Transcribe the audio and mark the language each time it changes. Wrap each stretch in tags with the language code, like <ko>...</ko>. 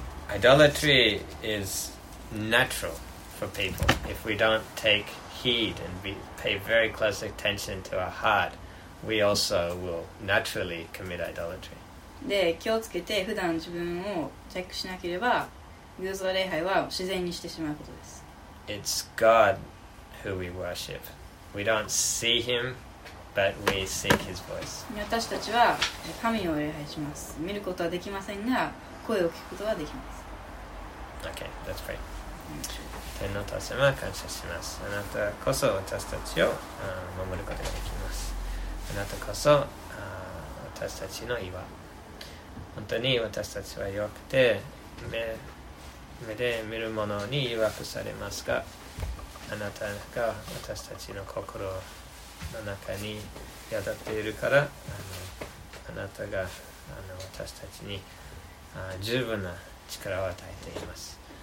<en>Idolatry is natural for people if we don't take heed and pay very close attention to our heart. We also will naturally commit idolatry.</en> <ja>で、気をつけて普段自分をチェックしなければ、偶像礼拝は自然にしてしまうことです。</ja> <en>It's God who we worship. We don't see Him, but we seek His voice.</en> <ja>私たちは神を礼拝します。見ることはできませんが、声を聞くことはできます。</ja> <en>Okay, let's pray.</en> <ja>天のたせま、感謝します。あなたこそ私たちを守ることができます。あなたこそ私たちの岩。本当に私たちは弱くて 目で見るものに弱くされますが、あなたが私たちの心の中に宿っているから、あなたが私たちに十分な力を与えています。</ja>